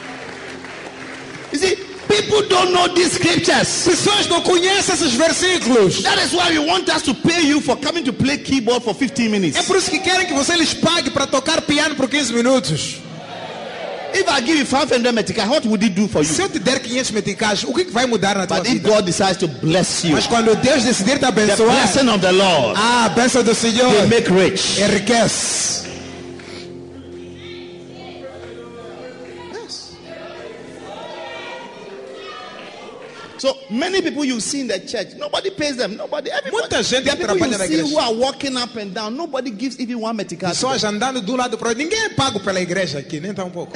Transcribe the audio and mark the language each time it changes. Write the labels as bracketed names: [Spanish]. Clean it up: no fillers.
[English] People don't know these scriptures. [Portuguese] Pessoas não conhecem esses versículos. [English] That is why we want us to pay you for coming to play keyboard for 15 minutes. [Portuguese] É por isso que querem que você lhes pague para tocar piano por 15 minutos. [English] If I give you 500 meticais, what would it do for you? [Portuguese] Se eu te der 500 meticais, o que vai mudar na tua [English] but [Portuguese] vida? [English] But if God decides to bless you, [Portuguese] mas quando Deus decidir te abençoar, [English] the blessing of the Lord, [Portuguese] ah, a bênção do Senhor, [English] they make rich, [Portuguese] enriquece. [English] So many people you see in the church, nobody pays them. Nobody. Everybody. [Portuguese] Muita gente [English] there are people [Portuguese] trabalha [English] you see who are walking up and down. Nobody gives even one meticais. [Portuguese] Pessoas andando do lado para ninguém é pago pela igreja aqui nem tão pouco.